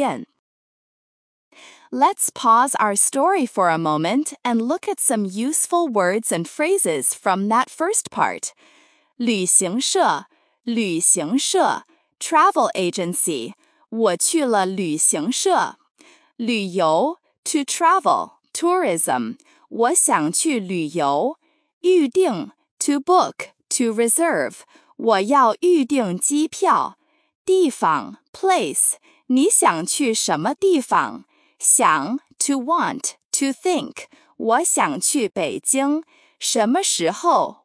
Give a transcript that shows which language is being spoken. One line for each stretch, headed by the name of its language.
Chinese: 他拿出他的电脑，开始看航班和酒店。他说：“我帮你看看机票和酒店。”
English: Let's pause our story for a moment and look at some useful words and phrases from that first part.
Chinese: 旅行社, 旅行社,
English: travel agency.
Chinese: 我去了旅行社。旅游,
English: to travel, tourism.
Chinese: 我想去旅游。预定,
English: to book, to reserve.
Chinese: 我要预定机票。地方, place. 你想去什么地方?想, to want, to think. 我想去北京。什么时候,